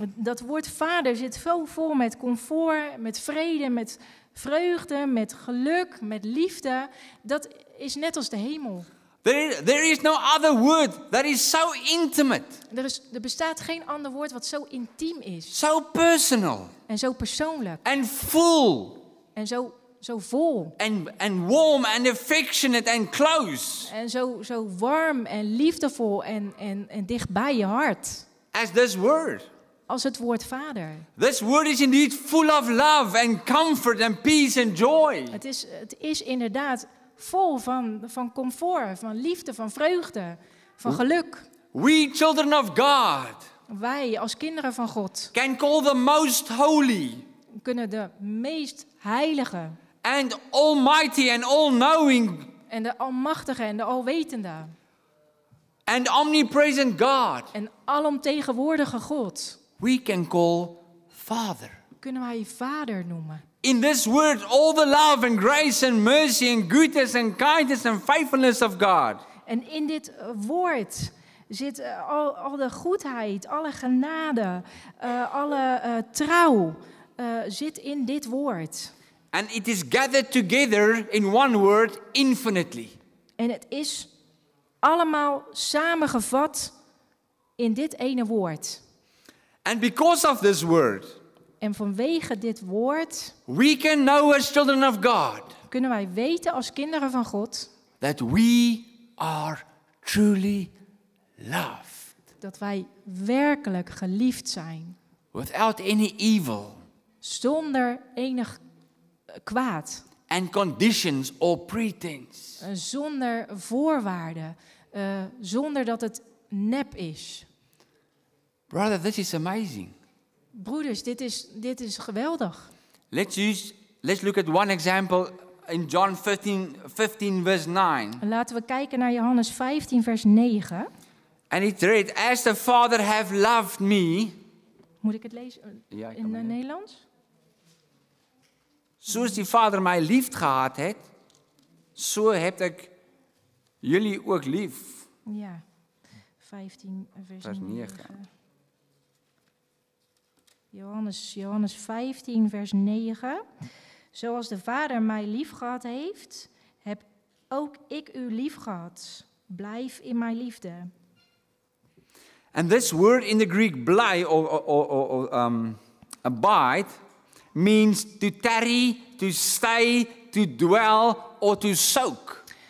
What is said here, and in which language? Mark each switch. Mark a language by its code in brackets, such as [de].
[nl] Dat woord vader zit zo vol met comfort, met vrede, met vreugde, met geluk, met liefde. Dat is net als de hemel. [en] There is no other word that is so intimate. [nl] Er bestaat geen ander woord wat zo intiem is. [en] So personal. [nl] En zo persoonlijk. [en] And full. [nl] En zo vol. [en] And warm and affectionate and close. [nl] En zo warm en liefdevol en dicht bij je hart. [en] As this word. [nl] Als het woord vader. [en] This word is indeed full of love and comfort and peace and joy. [nl] Het is inderdaad vol van comfort, van liefde, van vreugde, van geluk. [en] We children of God. [nl] Wij als kinderen van God. [en] Can call the most holy. [nl] Kunnen de meest heilige. [en] And almighty and all-knowing. [nl] En de almachtige en de alwetende. [en] And omnipresent God. [nl] En alomtegenwoordige God. [en] We can call Father. [nl] Kunnen wij Vader noemen. [en] In this word all the love and grace and mercy and goodness and kindness and faithfulness of God. [nl] En in dit woord zit al de goedheid, alle genade, alle trouw zit in dit woord. [en] And it is gathered together in one word, infinitely. [nl] En het is allemaal samengevat in dit ene woord. [en] And because of this word. [nl] En vanwege dit woord. [en] We can know as children of God. [nl] Kunnen wij weten als kinderen van God. [en] That we are truly loved. [nl] Dat wij werkelijk geliefd zijn. [en] Without any evil. [nl] Zonder enig kwaad. [en] And conditions or pretense. [nl] Zonder voorwaarden. Zonder dat het nep is. [en] Brother, this is amazing. [nl] Broeders, dit is geweldig. [en] Let's look at one example in John 15 verse 9. [nl] Laten we kijken naar Johannes 15 vers 9. [en] And it read, as the Father have loved me. [nl] Moet ik het lezen in het Nederlands? Zoals die Vader mij lief gehad heeft, zo heb ik jullie ook lief. Ja, 15 vers 9. Johannes 15 vers 9. Zoals de Vader mij lief gehad heeft, heb ook ik u lief gehad. Blijf in mijn liefde. [en] And this word in the Greek blij or abide means to tarry, to stay, to dwell, or to soak.